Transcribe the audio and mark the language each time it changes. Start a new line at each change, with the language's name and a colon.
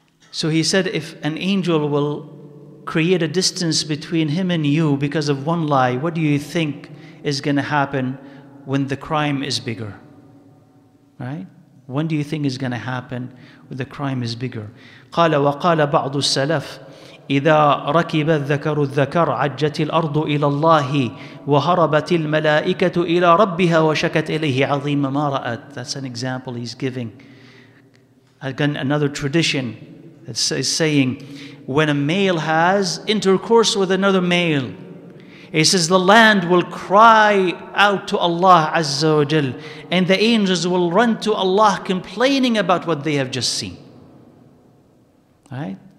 English: So he said, if an angel will create a distance between him and you because of one lie, what do you think is going to happen when the crime is bigger? Right? When do you think is going to happen when the crime is bigger?
Arabic: قال وقال بعض السلف إذا ركب الذكر الذكر عجت الأرض إلى الله وهربت الملائكة إلى ربها وشكت إليه عظيم ما رأت.
English: That's an example he's giving. Again, another tradition that is saying, when a male has intercourse with another male, he says the land will cry out to Allah Azza wa Jal, and the angels will run to Allah complaining about what they have just seen. Right?